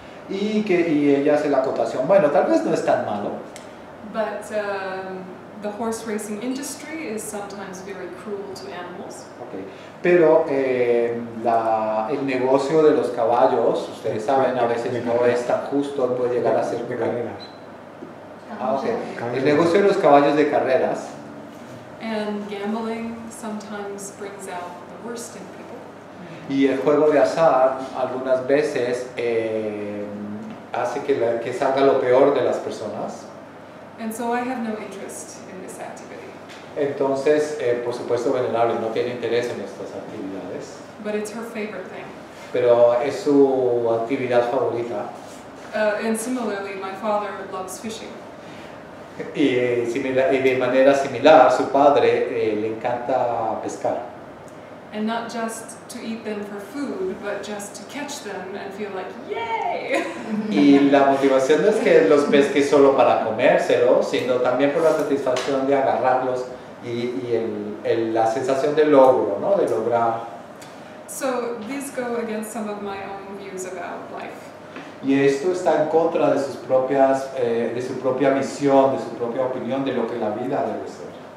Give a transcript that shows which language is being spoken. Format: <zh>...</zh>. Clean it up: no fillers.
<es>Y ella hace la acotación, bueno, tal vez no es tan malo.</es> <en>But the horse racing industry is sometimes very cruel to animals. Okay.</en> <es>Pero el negocio de los caballos, ustedes saben, a veces no es tan justo, puede llegar a ser de carreras. Ah, okay. El negocio de los caballos de carreras.</es> <en>And gambling sometimes brings out the worst in people.</en> <es>Y el juego de azar algunas veces hace que salga lo peor de las personas.</es> <en>And so I have no interest in this activity.</en> <es>Entonces, por supuesto, venerable, no tiene interés en estas actividades.</es> <en>But it's her favorite thing.</en> <es>Pero es su actividad favorita.</es> <en>And similarly, my father loves fishing.</en> <es>Y de manera similar, su padre le encanta pescar.</es> <en>and not just to eat them for food, but just to catch them and feel like, yay!</en> <es>Y la motivación no es que los pesques solo para comérselos, sino también por la satisfacción de agarrarlos y el, la sensación de logro, ¿no? De lograr.</es> <en>So these go against some of my own views about life.</en> <es>Y esto está en contra de sus propias, de su propia misión, de su propia opinión de lo que la vida debe ser.</es>